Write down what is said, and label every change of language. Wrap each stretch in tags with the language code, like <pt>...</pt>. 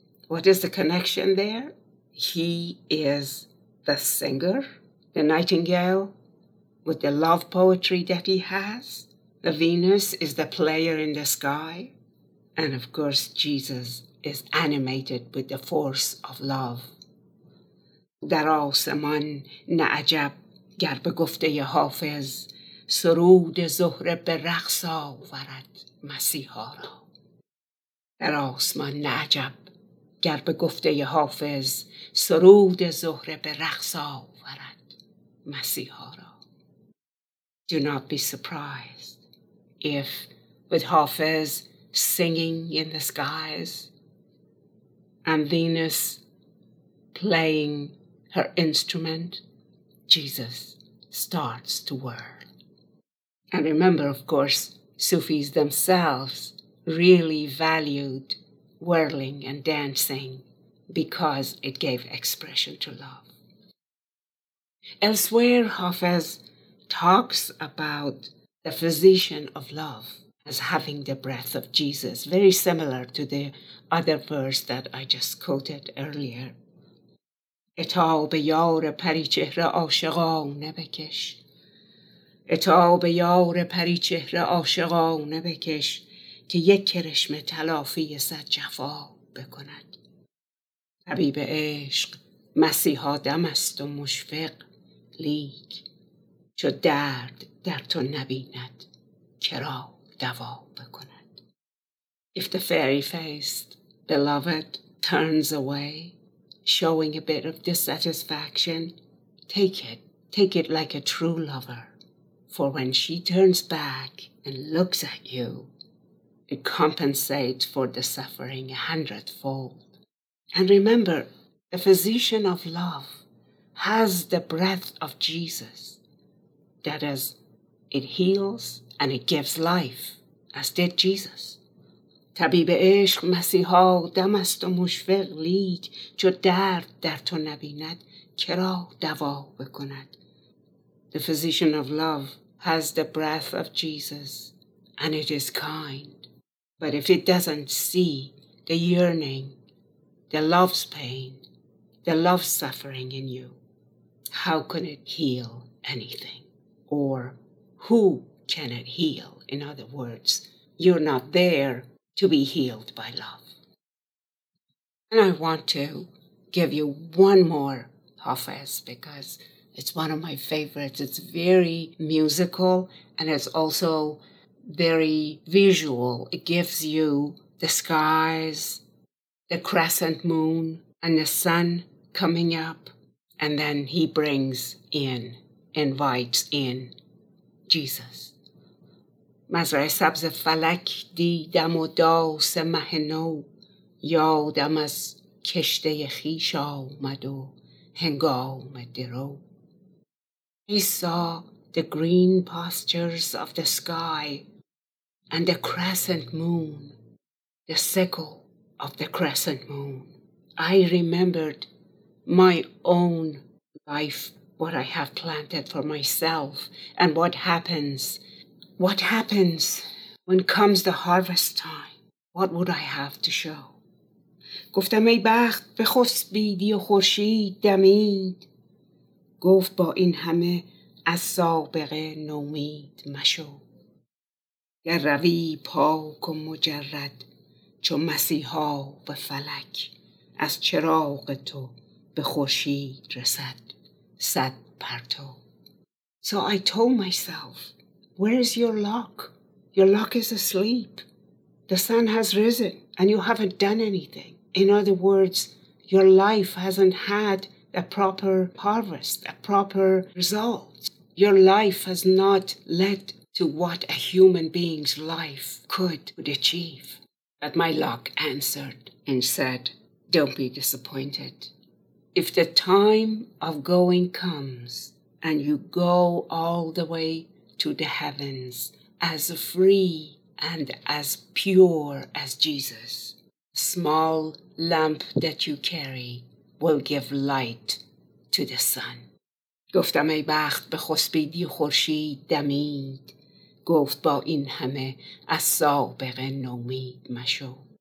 <en>What is the connection there? He is the singer, the nightingale, with the love poetry that he has. The Venus is the player in the sky. And of course, Jesus is animated with the force of love.</en> <fa>در آسمان نه عجب گر به گفته ی حافظ سرود زهره به رقص آورد مسیحا را. در آسمان نه عجب گر به گفته ی حافظ سرود زهره به رقص آورد مسیحا را.</fa> <en>Do not be surprised if with Hafez singing in the skies and Venus playing her instrument, Jesus starts to whirl. And remember, of course, Sufis themselves really valued whirling and dancing because it gave expression to love. Elsewhere, Hafez talks about the physician of love as having the breath of Jesus, very similar to the other verse that I just quoted earlier.</en> <fa>عتاب یار پریچهره عاشقانه بکش. عتاب یار پریچهره عاشقانه بکش که یک کرشم تلافی صد جفا بکند. طبیب عشق مسیحا دم است و مشفق، لیک چو درد در تو نبیند کرا دوا بکند.</fa> <en>If the fairy faced beloved turns away, showing a bit of dissatisfaction, take it like a true lover. For when she turns back and looks at you, it compensates for the suffering 100-fold. And remember, the physician of love has the breath of Jesus. That is, it heals and it gives life, as did Jesus.</en> <fa>طبیب عشق مسیحا دم است و مشفق، لیک چو درد در تو نبیند کرا دوا بکند.</fa> <en>The physician of love has the breath of Jesus and it is kind. But if it doesn't see the yearning, the love's pain, the love's suffering in you, how can it heal anything? Or who can it heal? In other words, you're not there to be healed by love. And I want to give you one more Hafez because it's one of my favorites. It's very musical and it's also very visual. It gives you the skies, the crescent moon, and the sun coming up. And then he invites in Jesus.</en> <fa>مزرعه سبز فلک دیدم و داس مه نو، یادم از کشته خیش آمد و هنگام درو.</fa> <en>He saw the green pastures of the sky and the crescent moon, the sickle of the crescent moon. I remembered my own life, what I have planted for myself, and what happens when comes the harvest time? What would I have to show?</en> <fa>گفتم ای بخت بخسبیدی و خورشید دمید. گفت با این همه از سابقه نومید مشو. گر روی پاک و مجرد چو مسیحا به فلک، از چراغ تو به خورشید رسد صد پرتو.</fa> <en>So I told myself, where is your lock? Your lock is asleep. The sun has risen and you haven't done anything. In other words, your life hasn't had a proper harvest, a proper result. Your life has not led to what a human being's life could achieve. But my lock answered and said, don't be disappointed. If the time of going comes and you go all the way to the heavens, as free and as pure as Jesus, small lamp that you carry, will give light to the sun.</en> <fa>گفتم ای بخت به خسبیدی خورشید دمید. گفت با این همه از سابقه نومید مشو.</fa>